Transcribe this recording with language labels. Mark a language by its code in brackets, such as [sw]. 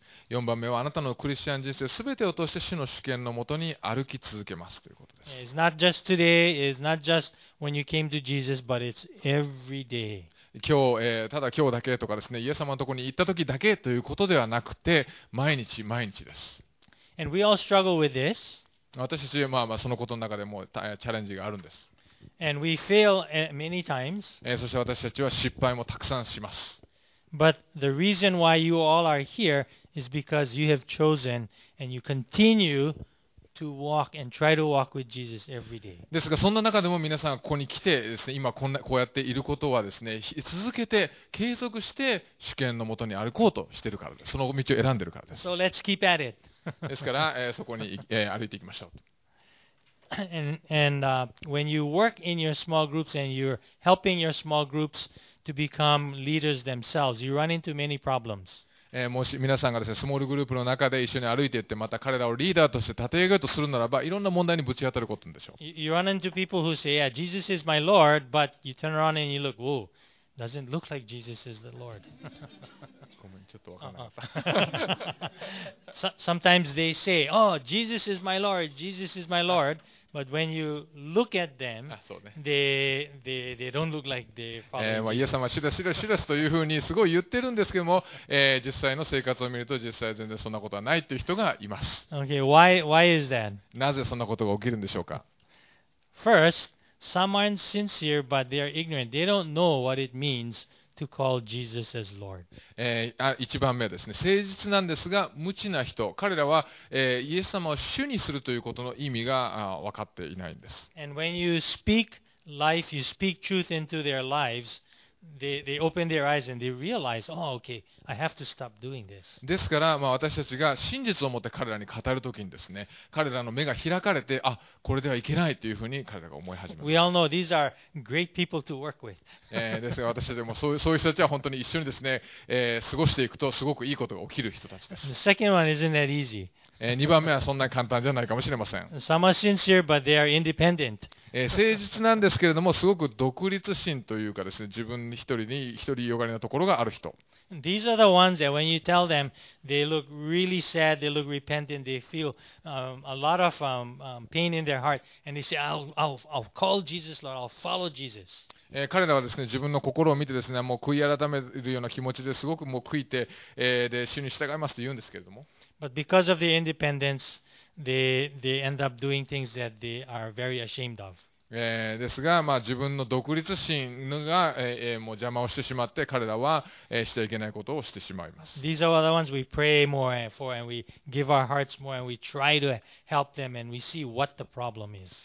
[ja] 4番目はあなたのクリスチャン人生すべてを通して主の主権のもとに歩き続けますということです。 [en] It's not just today, it's not just when you came to Jesus, but it's every day. [ja] 今日、ただ今日だけとかですね、イエス様のところに行った時だけということではなくて、毎日毎日です。 [en] And we all struggle with this. [ja] 私たちはまあまあそのことの中でもチャレンジがあるんです。 [en] And we fail many times. [ja] そして私たちは失敗もたくさんします。 [en] But the reason why you all are here is because you have chosen and you continue to walk and try to walk with Jesus every day. [ja] ですが、そんな中でも皆さんがここに来てですね、今こんなこうやっていることはですね、続けて継続して主権のもとに歩こうとしているからです。その道を選んでいるからです。 [en] So let's keep at it. [ja] ですから、そこに、歩いていきましょう。 [en] And when you work in your small groups and you're helping your small groups to become leaders themselves, you run into many problems. [ja] もし皆さんがですね、スモールグループの中で一緒に歩いていって、また彼らをリーダーとして立て上げようとするならば、いろんな問題にぶち当たることでしょう。 [en] You run into people who say, yeah, Jesus is my Lord, but you turn around and you look, whoa, doesn't look like Jesus is the Lord. [ja] ごめん、ちょっとわからない。 [en] Sometimes they say, oh, Jesus is my Lord, Jesus is my Lord. But when you look at them, they don't look like they follow. [ja] まあ、イエス様しだしだしだすというふうにすごい言ってるんですけども、実際の生活を見ると実際全然そんなことはないという人がいます。 [en] Okay, why is that? [ja] なぜそんなことが起きるんでしょうか。 [en] First, some aren't sincere, but they are ignorant. They don't know what it means to call Jesus as Lord. [ja] 一番目ですね。誠実なんですが無知な人。彼らは、イエス様を主にするということの意味が分かっていないんです。 [en] And when you speak life, you speak truth into their lives, they open their eyes and they realize, oh, okay, I have to stop doing this. [ja] ですから、まあ、私たちが真実を持って彼らに語るときにですね、彼らの目が開かれて、あ、これではいけないというふうに彼らが思い始めます。 [en] We all know these are great people to work with. [ja] ですが、私たちもそういう人たちは本当に一緒にですね、過ごしていくとすごくいいことが起きる人たちです。 [en] The second one isn't that easy. [ja] 2番目はそんなに簡単じゃないかもしれません。 [en] Some are sincere, but they are independent. [ja] 誠実なんですけれども、すごく独立心というかですね、自分一人に一人よがりなところがある人。 [en] These are the ones that when you tell them, they look really sad, they look repentant, they feel a lot of pain in their heart, and they say, I'll call Jesus, Lord, I'll follow Jesus. [ja] 彼らはですね、自分の心を見てですね、もう悔い改めるような気持ちですごくもう悔いて、で、主に従いますと言うんですけれども。 [en] But because of their independence, they end up doing things that they are very ashamed of. [ja] ですが、まあ、自分の独立心が、もう邪魔をしてしまって彼らは、してはいけないことをしてしまいます。 [en] These are the ones we pray more for and we give our hearts more and we try to help them and we see what the problem is.